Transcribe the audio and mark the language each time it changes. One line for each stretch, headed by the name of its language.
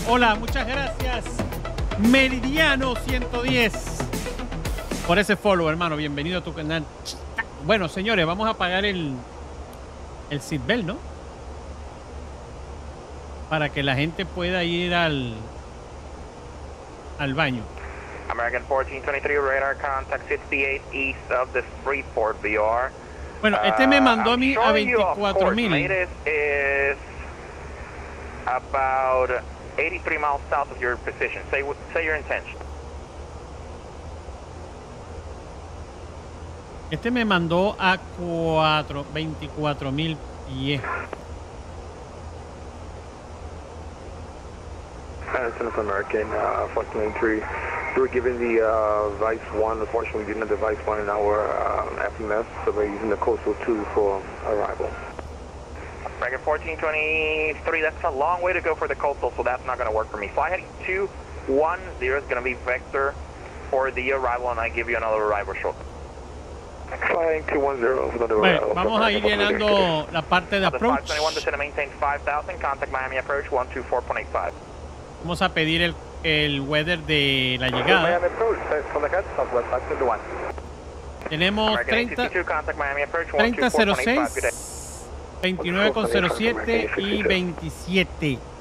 Spanish: Hola, muchas gracias, Meridiano 110, por ese follow, hermano. Bienvenido a tu canal. Bueno, señores, vamos a apagar el seatbelt, ¿no? Para que la gente pueda ir al baño.
English: American 1423, radar contact 68 east of the Freeport VR.
Spanish: Bueno, este me mandó a mí a 24,000.
English: Is about 83 miles south of your position. Say your intention.
Spanish: Este me mandó a 24,000 pies.
English: Yeah. American 1423. We were given the Vice 1. Unfortunately, we didn't have the Vice 1 in our FMS, so we're using the Coastal 2 for arrival. Dragon 1423, that's a long way to go for the Coastal, so that's not going to work for me. Fly heading 210 is going to be vector for the arrival, and I give you another arrival shortly. Flying 210 is another arrival.
Spanish: Bueno, vamos a ir llenando la parte de approach.
English: 521, descend and maintain 5000, contact Miami approach 124.85.
Spanish: Vamos a pedir el weather de la llegada. Tenemos 30.06, 29.07 y 27.